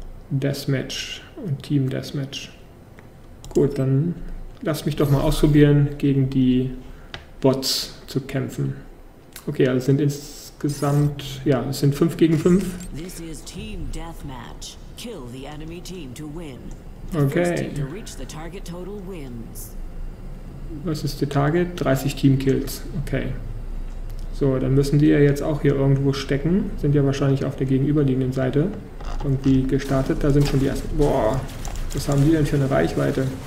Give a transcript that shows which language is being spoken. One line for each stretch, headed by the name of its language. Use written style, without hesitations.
German: Deathmatch und Team Deathmatch. Gut, dann lass mich doch mal ausprobieren, gegen die Bots zu kämpfen. Okay, also sind ins Insgesamt, ja, es sind 5 gegen 5.
English: This is Team Deathmatch. Kill the enemy team to win. Okay. First team to reach the target total wins.
German: Was ist der Target? 30 Teamkills. Okay. So, dann müssen die ja jetzt auch hier irgendwo stecken. Sind ja wahrscheinlich auf der gegenüberliegenden Seite irgendwie gestartet. Da sind schon die ersten. Boah, was haben die denn für eine Reichweite?